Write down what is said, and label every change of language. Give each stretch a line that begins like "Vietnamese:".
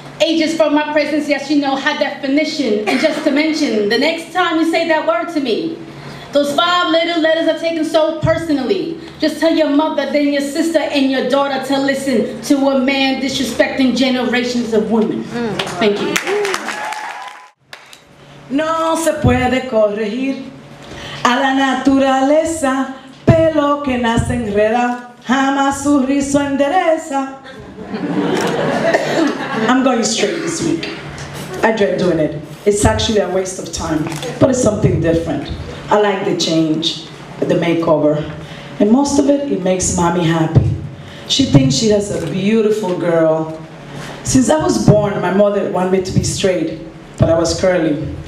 English: H is for my presence. Yes, you know high definition. And just to mention, the next time you say that word to me, those five little letters I've taken so personally. Just tell your mother, then your sister, and your daughter to listen to a man disrespecting generations of women. Thank you.
Spanish: No se puede corregir a la naturaleza, pelo que nace enreda, jamás su rizo endereza.
English: I'm going straight this week. I dread doing it. It's actually a waste of time, but it's something different. I like the change, the makeover, and most of it, it makes mommy happy. She thinks she has a beautiful girl. Since I was born, my mother wanted me to be straight, but I was curly.